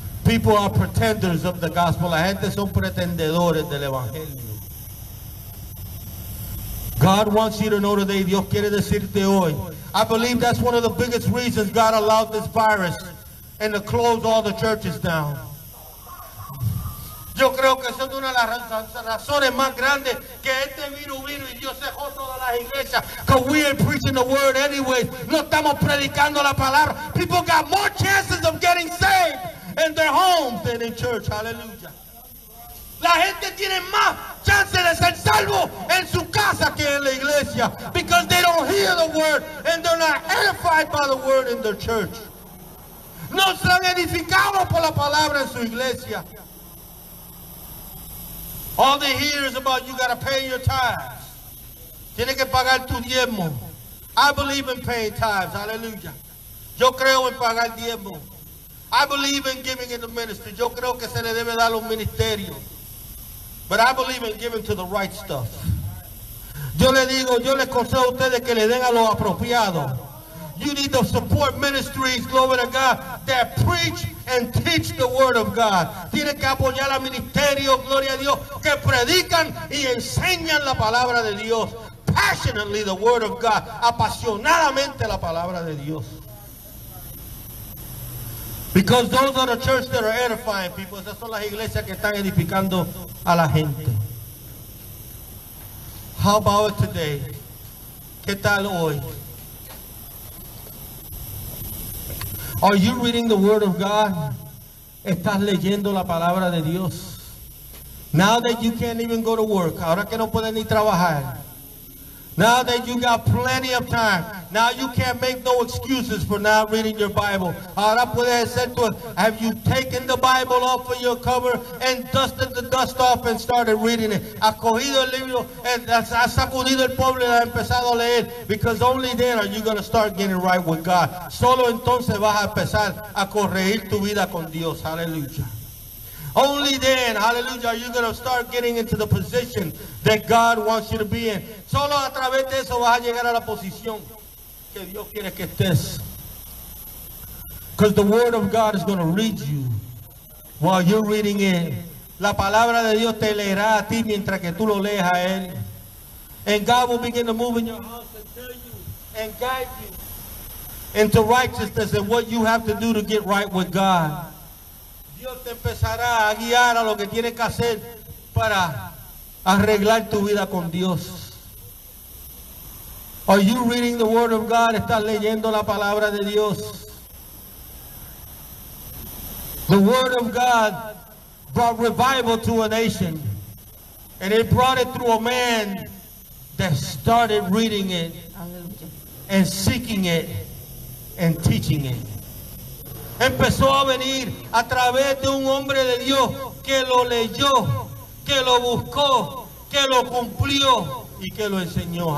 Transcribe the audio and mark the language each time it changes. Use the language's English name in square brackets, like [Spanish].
[English] People are pretenders of the gospel. [Spanish] La gente son pretendedores del evangelio. [English] God wants you to know today. [Spanish] Dios quiere decirte hoy. [English] I believe that's one of the biggest reasons God allowed this virus and to close all the churches down. [Spanish] Yo creo que eso es una de las razones más grandes que este virus vino y Dios dejó todas las iglesias. [English] Because we ain't preaching the word anyway. [Spanish] No estamos predicando la palabra. [English] People got more chances of getting saved in their homes than in church. Hallelujah. [Spanish] La gente tiene más chances de ser salvo en su casa que en la iglesia. [English] Because they don't hear the word and they're not edified by the word in their church. [Spanish] No son edificados por la palabra en su iglesia. [English] All they hear is about you got to pay your tithes. [Spanish] Tiene que pagar tu diezmo. [English] I believe in paying tithes. Hallelujah. [Spanish] Yo creo en pagar diezmo. [English] I believe in giving in the ministry. [Spanish] Yo creo que se le debe dar un ministerio. [English] But I believe in giving to the right stuff. [Spanish] Yo le digo, yo les aconsejo a ustedes que le den a lo apropiado. [English] You need to support ministries, glory to God, that preach and teach the word of God. [Spanish] Tienes que apoyar al ministerio, gloria a Dios, que predican y enseñan la palabra de Dios. [English] Passionately, the word of God. [Spanish] Apasionadamente, la palabra de Dios. [English] Because those are the churches that are edifying people. [Spanish] Esas son las iglesias que están edificando a la gente. [English] How about it today? [Spanish] ¿Qué tal hoy? [English] Are you reading the word of God? [Spanish] ¿Estás leyendo la palabra de Dios? [English] Now that you can't even go to work, [Spanish] ahora que no puedes ni trabajar. [English] Now that you got plenty of time, Now you can't make no excuses for not reading your Bible. [Spanish] Ahora puedes hacer tu, [English] have you taken the Bible off of your cover and dusted the dust off and started reading it? [Spanish] Has cogido el libro, has sacudido el polvo y has empezado a leer. [English] Because only then are you going to start getting right with God. [Spanish] Solo entonces vas a empezar a corregir tu vida con Dios. [English] Hallelujah. Only then, hallelujah, are you going to start getting into the position that God wants you to be in. [Spanish] Solo a través de eso vas a llegar a la posición que Dios quiere que estés. [English] Because the word of God is going to read you while you're reading it. [Spanish] La palabra de Dios te leerá a ti mientras que tú lo lees a él. [English] And God will begin to move in your heart and tell you and guide you into righteousness and what you have to do to get right with God. [Spanish] Dios te empezará a guiar a lo que tienes que hacer para arreglar tu vida con Dios. [English] Are you reading the word of God? [Spanish] ¿Estás leyendo la palabra de Dios? [English] The word of God brought revival to a nation, and it brought it through a man that started reading it and seeking it and teaching it. [Spanish] Empezó a venir a través de un hombre de Dios que lo leyó, que lo buscó, que lo cumplió y que lo enseñó.